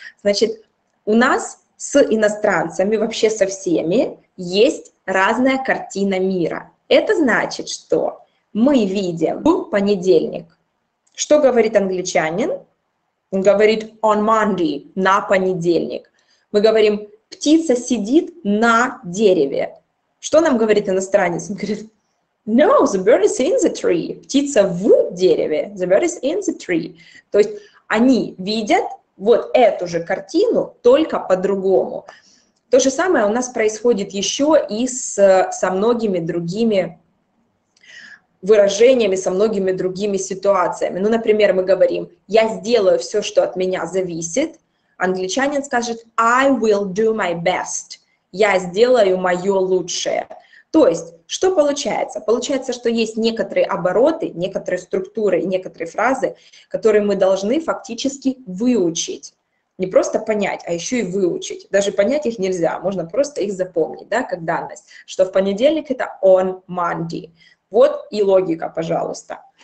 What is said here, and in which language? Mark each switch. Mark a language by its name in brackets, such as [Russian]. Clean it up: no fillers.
[Russian] Значит, у нас с иностранцами, вообще со всеми, есть разная картина мира. Это значит, что мы видим в понедельник. Что говорит англичанин? Он говорит [English] «on Monday», [Russian] «на понедельник». Мы говорим, птица сидит на дереве. Что нам говорит иностранец? Он говорит, [English] no, the bird is in the tree. [Russian] Птица в дереве. [English] The bird is in the tree. [Russian] То есть они видят вот эту же картину, только по-другому. То же самое у нас происходит еще и со многими другими выражениями, со многими другими ситуациями. Ну, например, мы говорим, я сделаю все, что от меня зависит. Англичанин скажет [English] I will do my best. [Russian] Я сделаю мое лучшее. То есть, что получается? Получается, что есть некоторые обороты, некоторые структуры, некоторые фразы, которые мы должны фактически выучить. Не просто понять, а еще и выучить. Даже понять их нельзя, можно просто их запомнить, да, как данность. Что в понедельник это [English] on Monday. [Russian] Вот и логика, пожалуйста.